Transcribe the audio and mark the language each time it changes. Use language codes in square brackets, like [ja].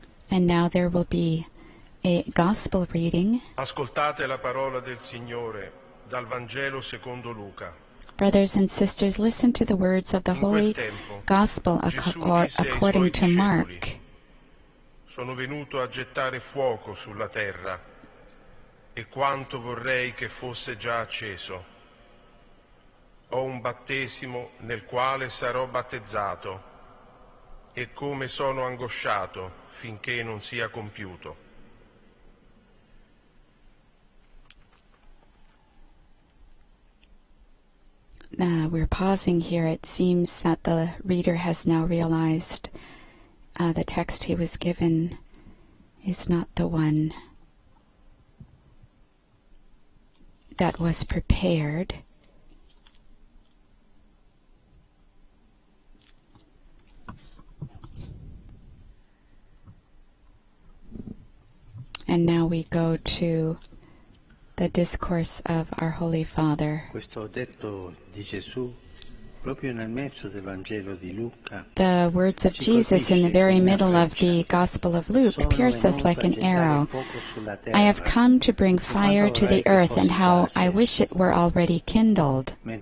[en] And now there will be a gospel reading. [it] Ascoltate la parola del Signore dal Vangelo secondo Luca. [en] Brothers and sisters, listen to the words of the Holy Gospel according to Mark. [it] Sono venuto a gettare fuoco sulla terra, e quanto vorrei che fosse già acceso. Ho un battesimo nel quale sarò battezzato, e come sono angosciato finché non sia compiuto. [en] We're pausing here. It seems that the reader has now realized the text he was given is not the one that was prepared. And now we go to the discourse of our Holy Father. [it] Questo detto di Gesù proprio nel mezzo del Vangelo di Luca. [en] The words of Jesus in the very middle of the Gospel of Luke pierce us like an arrow. I have come to bring fire to the earth, and how I wish it were already kindled.